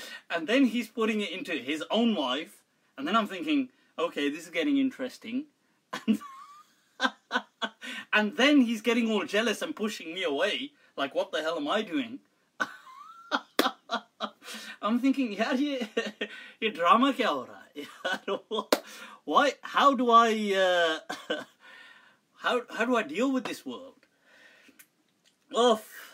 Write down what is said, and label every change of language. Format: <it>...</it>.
<en>And then he's putting it into his own wife, and then I'm thinking, okay, this is getting interesting. And then he's getting all jealous and pushing me away. Like, what the hell am I doing? I'm thinking,</en> <ur>یار، یہ drama کیا ہو رہا ہے?</ur> <en>Why? How do I? How do I deal with this world? Oof.</en>